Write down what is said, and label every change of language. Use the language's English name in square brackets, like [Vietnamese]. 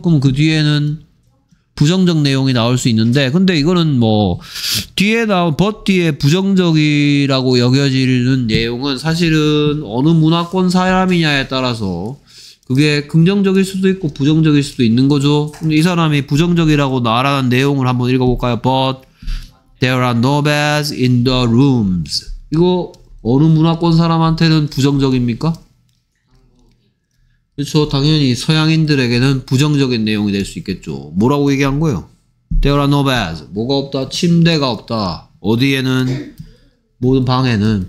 [Korean] 그럼 그 뒤에는 부정적 내용이 나올 수 있는데, 근데 이거는 뭐 뒤에 나온 but 뒤에 부정적이라고 여겨지는 내용은 사실은 어느 문화권 사람이냐에 따라서 그게 긍정적일 수도 있고 부정적일 수도 있는 거죠. 근데 이 사람이 부정적이라고 나라는 내용을 한번 읽어볼까요? [English] But there are no beds in the rooms. [Korean] 이거 어느 문화권 사람한테는 부정적입니까? 그렇죠. 당연히 서양인들에게는 부정적인 내용이 될 수 있겠죠. 뭐라고 얘기한 거예요? [English] There are no beds. [Korean] 뭐가 없다? 침대가 없다. 어디에는? 모든 방에는.